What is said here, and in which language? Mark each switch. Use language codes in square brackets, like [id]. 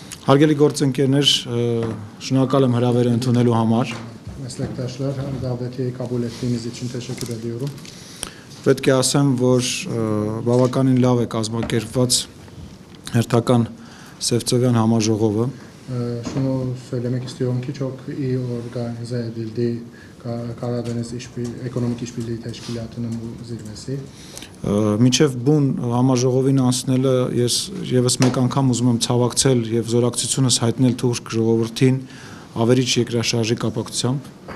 [hy] Հարգելի գործընկերներ, շնորհակալ եմ հրավերը ընդունելու համար։ [tr] Meslektaşlar, davetiye kabul ettiğiniz için teşekkür ediyorum. [hy] Պետք է ասեմ, որ բավականին լավ է կազմակերպված հերթական Սևծովյան համաժողովը։ [tr] Şunu söylemek istiyorum ki çok iyi organize edildi Karadeniz Ekonomik İşbirliği Teşkilatı'nın bu zirvesi. [hy] Միջև բուն համաժողովին անցնելը ես եւս մեկ անգամ ուզում եմ ցավակցել եւ զորակցությունս հայտնել Թուրք ժողովրդին ավերիչ երկրաշարժի կապակցությամբ։